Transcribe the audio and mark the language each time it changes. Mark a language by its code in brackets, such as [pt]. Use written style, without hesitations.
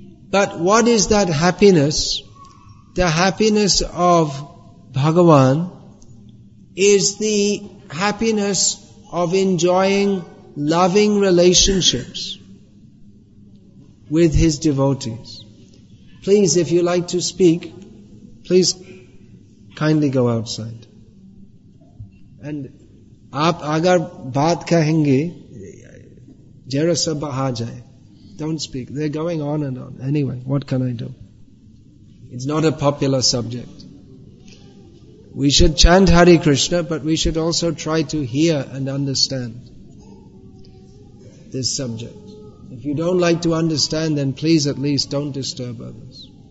[en] But what is that happiness? The happiness of Bhagavan is the happiness of enjoying loving relationships with his devotees. Please, if you like to speak, please kindly go outside. [hi] And आप अगर बात कहेंगे, जरा सब बाहर जाये. [en] Don't speak. They're going on and on. Anyway, what can I do? It's not a popular subject. We should chant Hare Krishna, but we should also try to hear and understand this subject. If you don't like to understand, then please at least don't disturb others.